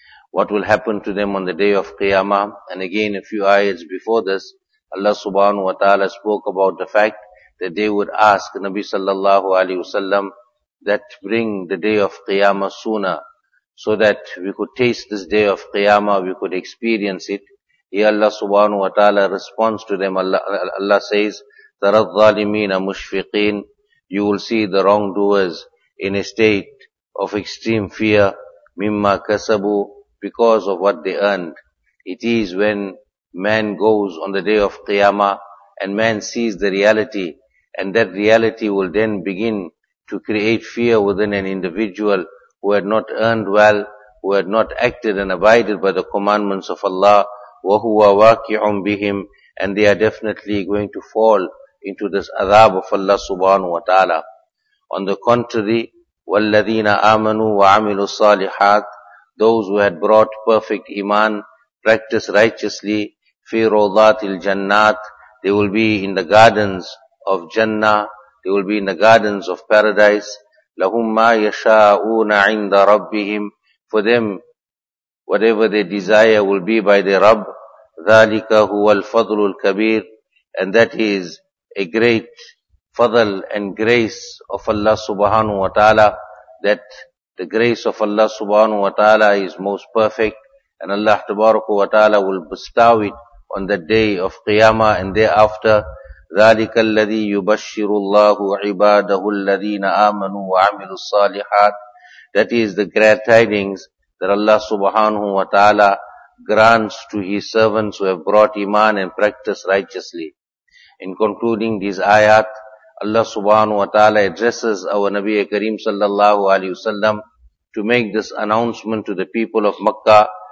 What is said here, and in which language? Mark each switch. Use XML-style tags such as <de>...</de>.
<en>What will happen to them on the day of Qiyamah? And again, a few ayats before this, Allah subhanahu wa ta'ala spoke about the fact that they would ask Nabi sallallahu alayhi wasallam that bring the day of Qiyamah sooner, so that we could taste this day of Qiyamah, we could experience it. Here Allah subhanahu wa ta'ala responds to them. Allah says,</en> <ar>تَرَى الظَّالِمِينَ مُشْفِقِينَ.</ar> <en>You will see the wrongdoers in a state of extreme fear.</en> <ar>مِمَّا كَسَبُوا.</ar> <en>Because of what they earned. It is when man goes on the day of Qiyamah and man sees the reality, and that reality will then begin to create fear within an individual who had not earned well, who had not acted and abided by the commandments of Allah.</en> <ar>وَهُوَ وَاكِعٌ بِهِمْ.</ar> <en>And they are definitely going to fall into this adab of Allah subhanahu wa ta'ala. On the contrary,</en> <ar>وَالَّذِينَ آمَنُوا وَعَمِلُوا الصَّالِحَاتِ.</ar> <en>Those who had brought perfect iman, practice righteously,</en> <ar>فِي رَوْضَاتِ الْجَنَّاتِ.</ar> <en>They will be in the gardens of Jannah. They will be in the gardens of paradise.</en> <ar>لَهُمْ مَا يَشَاءُونَ عِنْدَ رَبِّهِمْ.</ar> <en>For them, whatever they desire will be by their Rabb.</en> <ar>ذلك هو الفضل الكبير,</ar> <en>and that is a great fadl and grace of Allah subhanahu wa ta'ala, that the grace of Allah subhanahu wa ta'ala is most perfect, and Allah tabaraka wa ta'ala will bestow it on the day of Qiyamah and thereafter.</en> <ar>ذلك الذي يبشر الله عباده الذين آمنوا وعملوا الصالحات.</ar> <en>That is the glad tidings that Allah subhanahu wa ta'ala grants to His servants who have brought iman and practiced righteously. In concluding these ayat, Allah subhanahu wa ta'ala addresses our Nabi Kareem sallallahu alayhi wa sallam to make this announcement to the people of Makkah.</en>